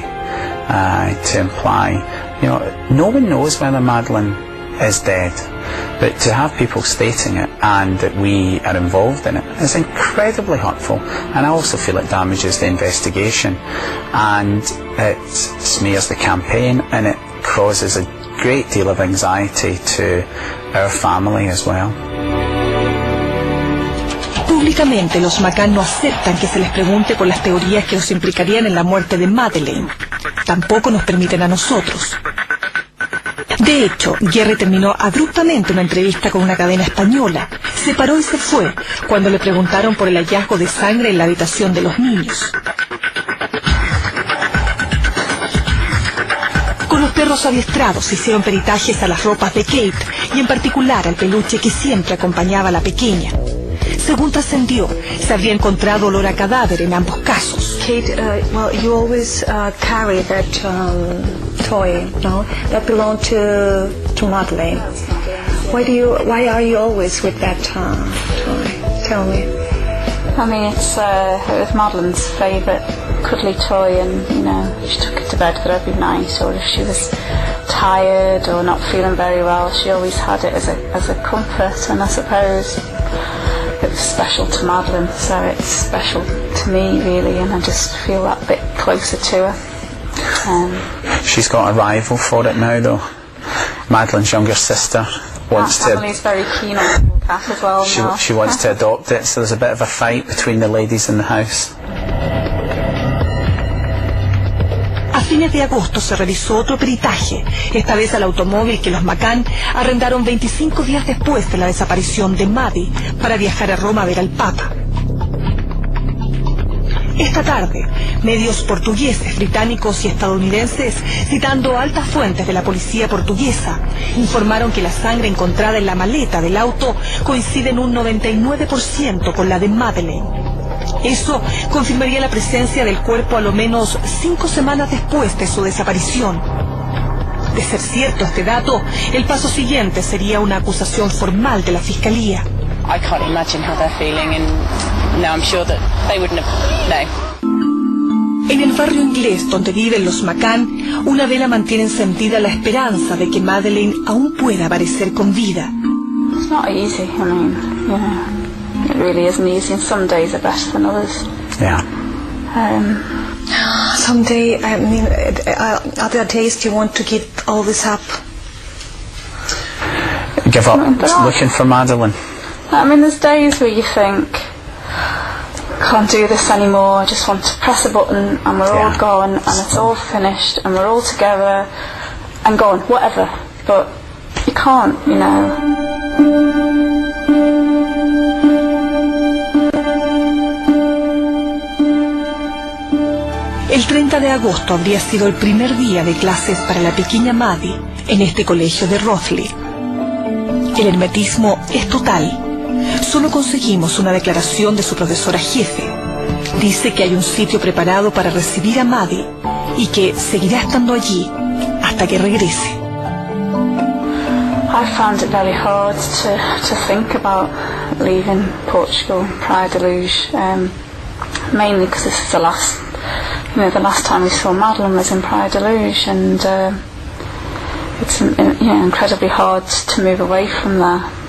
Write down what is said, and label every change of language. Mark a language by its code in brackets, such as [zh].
[en] To imply, you know, no one knows whether Madeleine is dead, but to have people stating it and that we are involved in it is incredibly hurtful, and I also feel it damages the investigation and it smears the campaign and it causes a great deal of anxiety to our family as well. [es] Públicamente, los McCann no aceptan que se les pregunte por las teorías que los implicarían en la muerte de Madeleine. Tampoco nos permiten a nosotros. De hecho, Gerry terminó abruptamente una entrevista con una cadena española. Se paró y se fue cuando le preguntaron por el hallazgo de sangre en la habitación de los niños. Con los perros adiestrados se hicieron peritajes a las ropas de Kate y en particular al peluche que siempre acompañaba a la pequeña. Según trascendió, se había encontrado olor a cadáver en ambos casos. [en] Kate, well, you always carry that toy, no? That belonged to Madeleine. Why are you always with that toy? Tell me. I mean, it was Madeleine's favorite cuddly toy, and you know, she took it to bed for every night, or if she was tired or not feeling very well, she always had it as a comfort, and I suppose it's special to Madeleine, so it's special to me, really, and I just feel that bit closer to her. She's got a rival for it now, though. Madeleine's younger sister wants to. Emily's very keen on the cat as well. She wants to adopt it, so there's a bit of a fight between the ladies in the house. [es] A fines de agosto se realizó otro peritaje, esta vez al automóvil que los McCann arrendaron 25 días después de la desaparición de Maddie para viajar a Roma a ver al Papa. Esta tarde, medios portugueses, británicos y estadounidenses, citando altas fuentes de la policía portuguesa, informaron que la sangre encontrada en la maleta del auto coincide en un 99% con la de Madeleine. Eso confirmaría la presencia del cuerpo a lo menos 5 semanas después de su desaparición. De ser cierto este dato, el paso siguiente sería una acusación formal de la fiscalía. [en] I can't imagine how they're feeling, and no, I'm sure that they wouldn't have. No. [es] En el barrio inglés donde viven los McCann, una vela mantiene encendida la esperanza de que Madeleine aún pueda aparecer con vida. [en] It's not easy, I mean, you know. It really isn't easy, and some days are better than others. Yeah. Someday, I mean, are there days do you want to give all this up? Give up looking for Madeleine? I mean, there's days where you think, can't do this anymore, I just want to press a button and we're all gone and it's all finished and we're all together and gone, whatever. But you can't, you know. [es] El 30 de agosto habría sido el primer día de clases para la pequeña Maddie en este colegio de Rothley. El hermetismo es total. Solo conseguimos una declaración de su profesora jefe. Dice que hay un sitio preparado para recibir a Maddie y que seguirá estando allí hasta que regrese. [en] I found it very hard to think about leaving Portugal prior to Luge, mainly because this is the last. You know, the last time we saw Madeleine was in Praia da Luz, and it's incredibly hard to move away from that.